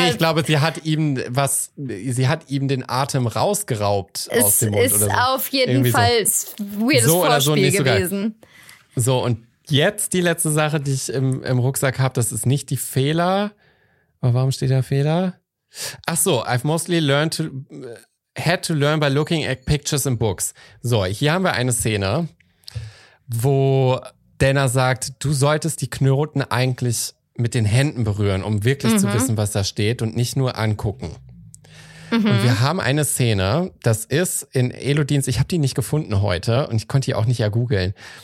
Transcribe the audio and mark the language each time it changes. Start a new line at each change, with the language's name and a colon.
German: Nee, ich glaube, sie hat ihm den Atem rausgeraubt aus dem Mund. Ist oder so. Auf jeden irgendwie Fall so. Weirdes so Vorspiel so, nee, gewesen. So, und jetzt die letzte Sache, die ich im Rucksack habe, das ist nicht die Fehler. Aber warum steht da Fehler? Ach so,
English: I've mostly learned to... had to learn by looking at pictures and books.
German: So, hier haben wir eine Szene, wo Dana sagt, du solltest die Knoten eigentlich mit den Händen berühren, um wirklich zu wissen, was da steht und nicht nur angucken. Mhm. Und wir haben eine Szene, das ist in Elodins, ich habe die nicht gefunden heute und ich konnte die auch nicht ergoogeln.